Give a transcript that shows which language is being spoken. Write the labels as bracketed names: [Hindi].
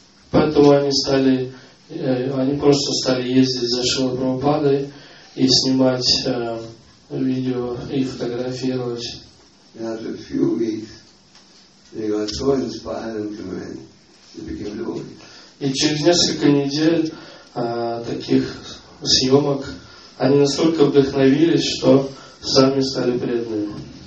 [Russian] Поэтому они просто стали ездить за Шрила Прабхупадой и снимать видео и фотографировать. [English] And after a few weeks, they got so inspired and committed, they became devotees. [Russian] И через несколько недель таких съемок они настолько вдохновились, что сами стали преданными.